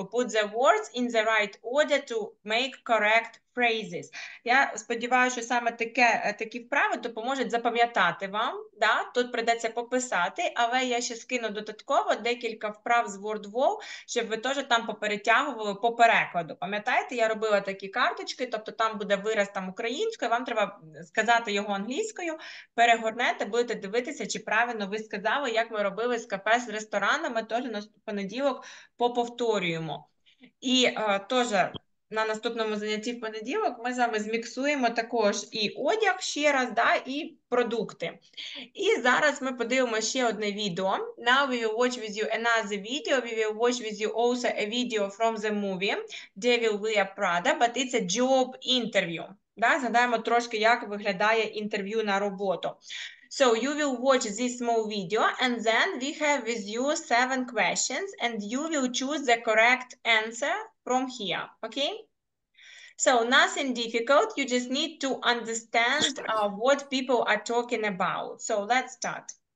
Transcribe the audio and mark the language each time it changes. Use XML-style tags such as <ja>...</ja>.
<en>Put the words in the right order to make correct phrases.</en> <uk>Я сподіваюся, що саме такі вправи допоможуть запам'ятати вам. Да? Тут прийдеться пописати, але я ще скину додатково декілька вправ з WordWall, щоб ви теж там поперетягували по перекладу. Пам'ятаєте, я робила такі карточки, тобто там буде вираз там українською, вам треба сказати його англійською, перегорнете, будете дивитися, чи правильно ви сказали, як ви робили з кафе, з ресторанами, теж на понеділок поповторюємо. І теж на наступному занятті в понеділок ми з вами зміксуємо також і одяг ще раз, да, і продукти. І зараз ми подивимо ще одне відео.</uk> <en>Now we will watch with you another video. We will watch with you also a video from the movie Devil Wears Prada, but it's a job interview.</en> <uk>Да, згадаємо трошки, як виглядає інтерв'ю на роботу.</uk> <en>So you will watch this small video and then we have with you 7 questions and you will choose the correct answer from here, okay? So nothing difficult, you just need to understand what people are talking about. So let's start.</en>